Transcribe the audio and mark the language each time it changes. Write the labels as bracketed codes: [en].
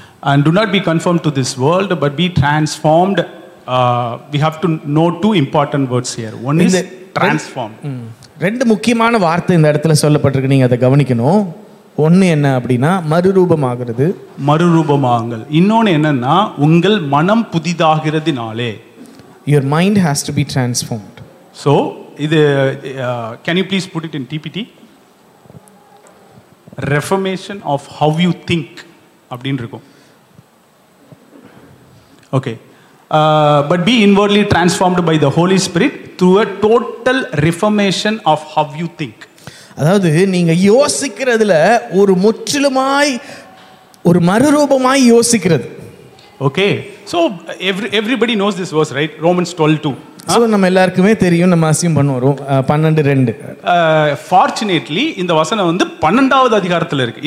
[en] And do not be conformed to this world, but be transformed. We have to know two important words here. One is transform. [ta] ரெண்டு முக்கியமான வார்த்தை இந்த இடத்துல சொல்லப்பட்டிருக்கு, நீங்க அதை கவனிக்கணும். ஒன்னு என்ன அப்படின்னா மறுரூபமாகிறது, மறுரூபமாகுங்கள். இன்னொன்று என்னன்னா உங்கள் மனம் புதிதாகிறதுனாலே. [en] Your mind has to be transformed. So, [ta] இது [en] can you please put it in TPT? Reformation of how you think [ta] அப்படின்னு இருக்கும். [en] Okay, but be inwardly transformed by the Holy Spirit through a total reformation of how you think. [ta] அதாவது நீங்க யோசிக்கிறதுல ஒரு முற்றிலுமாய் ஒரு மறுரூபமாய் யோசிக்கிறது. [en] Okay, so everybody knows this verse, right? Romans 12:2. [ta] நம்ம எல்லாருக்குமே தெரியும், நம்ம அசியம் பண்ணுவோம். 12:2. [en] Fortunately, [ta] இந்த வசனம் வந்து 12வது அதிகாரத்தில் இருக்கு.